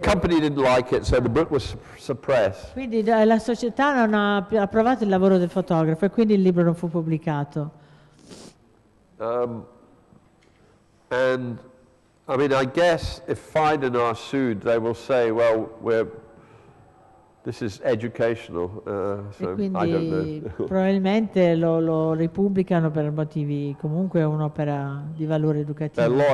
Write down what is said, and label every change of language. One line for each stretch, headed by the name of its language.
English: The company didn't like it, so the book was suppressed.
Italian: Quindi la società non ha approvato il lavoro del fotografo e quindi il libro non fu pubblicato.
English: And I mean, I guess if Fiden are sued, they will say, well, this is educational. So
Italian: e quindi
English: I don't know.
Italian: Probabilmente lo ripubblicano per motivi, comunque è un'opera di valore educativo.